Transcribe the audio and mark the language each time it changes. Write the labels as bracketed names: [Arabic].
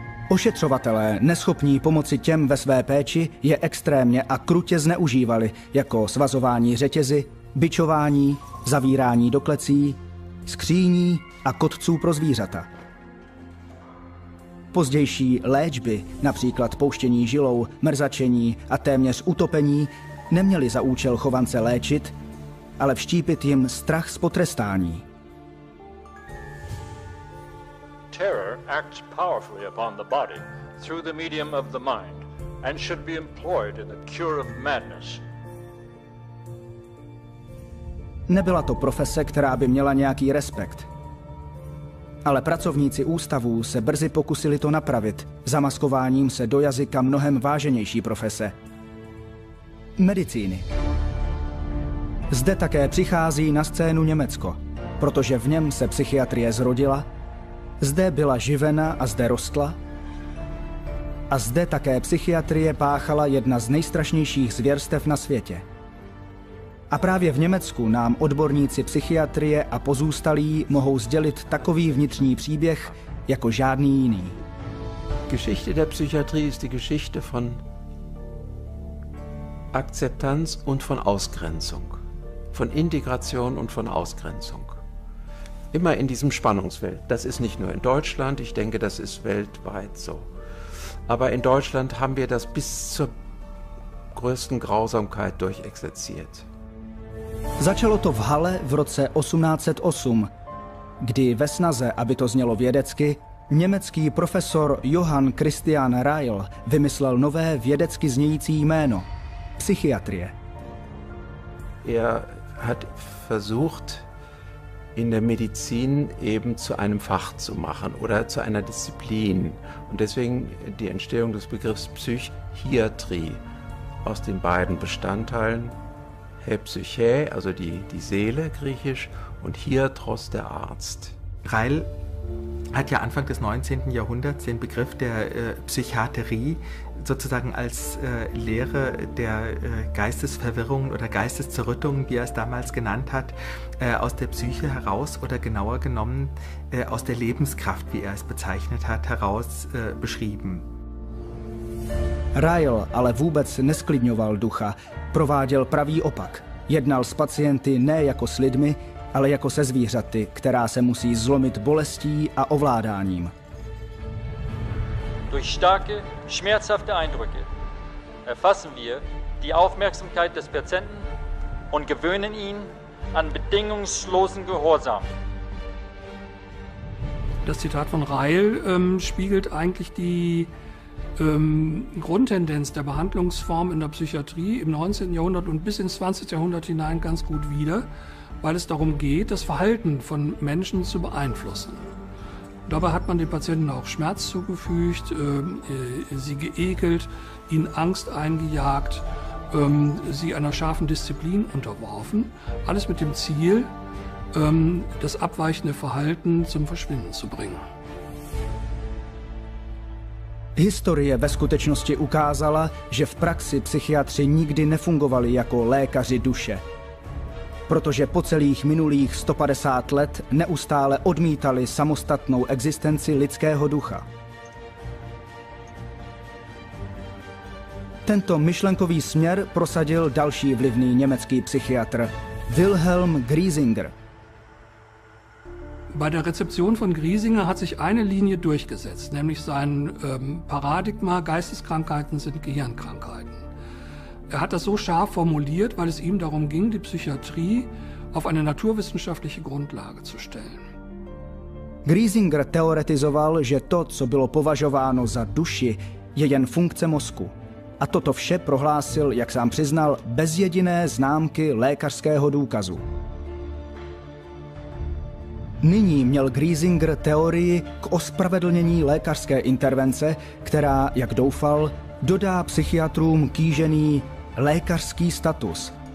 [Czech] Ošetřovatelé, neschopní pomoci těm ve své péči, je extrémně a krutě zneužívali, jako svazování řetězy, bičování, zavírání do klecí, skříní a kotců pro zvířata. Pozdější léčby, například pouštění žilou, mrzačení a téměř utopení, neměly za účel chovance léčit, ale vštípit jim strach z potrestání. [English] Terror acts powerfully upon the body through the medium of the mind and should be employed in the cure of madness. [Czech] Nebyla to profese, která by měla nějaký respekt. Ale pracovníci ústavů se brzy pokusili to napravit, zamaskováním se do jazyka mnohem váženější profese. Medicíny. Zde také přichází na scénu Německo, protože v něm se psychiatrie zrodila, zde byla živena a zde rostla, a zde také psychiatrie páchala jedna z nejstrašnějších zvěrstev na světě. A právě v Německu nám odborníci psychiatrie a pozůstalí mohou sdělit takový vnitřní příběh jako žádný jiný. [German] Geschichte der Psychiatrie ist die Geschichte von Akzeptanz und von Ausgrenzung, von Integration und von Ausgrenzung. Immer in diesem Spannungsfeld. Das ist nicht nur in Deutschland, ich denke, das ist weltweit so. Aber in Deutschland haben wir das bis zur größten Grausamkeit durchexerziert. [Czech] Začalo to v Halle v roce 1808, kdy ve snaze, aby to znělo vědecky, německý profesor Johann Christian Reil vymyslel nové vědecky znějící jméno – psychiatrie. [German] Er hat versucht, in der Medizin eben zu einem Fach zu machen oder zu einer Disziplin. Und deswegen die Entstehung des Begriffs Psychiatrie aus den beiden Bestandteilen. Psyche, also die Seele griechisch, und Hiatros, der Arzt. Reil hat ja Anfang des 19. Jahrhunderts den Begriff der Psychiatrie sozusagen als Lehre der Geistesverwirrung oder Geisteszerrüttung, wie er es damals genannt hat, aus der Psyche heraus oder genauer genommen aus der Lebenskraft, wie er es bezeichnet hat, heraus beschrieben. [Czech] Reil ale vůbec nesklidňoval ducha, prováděl pravý opak. Jednal s pacienty ne jako s lidmi, ale jako se zvířaty, která se musí zlomit bolestí a ovládáním. [German] Durch starke, schmerzhafte Eindrücke erfassen wir die Aufmerksamkeit des Patienten und gewöhnen ihn an bedingungslosen Gehorsam. Das Zitat von Reil spiegelt eigentlich die Grundtendenz der Behandlungsform in der Psychiatrie im 19. Jahrhundert und bis ins 20. Jahrhundert hinein ganz gut wieder, weil es darum geht, das Verhalten von Menschen zu beeinflussen. Dabei hat man den Patienten auch Schmerz zugefügt, sie geekelt, ihnen Angst eingejagt, sie einer scharfen Disziplin unterworfen. Alles mit dem Ziel, das abweichende Verhalten zum Verschwinden zu bringen. [Czech] Historie ve skutečnosti ukázala, že v praxi psychiatři nikdy nefungovali jako lékaři duše. protože po celých minulých 150 let neustále odmítali samostatnou existenci lidského ducha. Tento myšlenkový směr prosadil další vlivný německý psychiatr Wilhelm Griesinger. [German] Bei der Rezeption von Griesinger hat sich eine Linie durchgesetzt, nämlich sein Paradigma, Geisteskrankheiten sind Gehirnkrankheiten. Er hat das so scharf formuliert, weil es ihm darum ging, die Psychiatrie auf eine naturwissenschaftliche Grundlage zu stellen. [Czech] Griesinger theoretizoval, že to, co bylo považováno za duši, je jen funkce mozku. A toto vše prohlásil, jak sám přiznal, bez jediné známky lékařského důkazu. Nyní měl Griesinger teorii k ospravedlnění lékařské intervence, která, jak doufal, dodá psychiatrům kýžený lékařský status.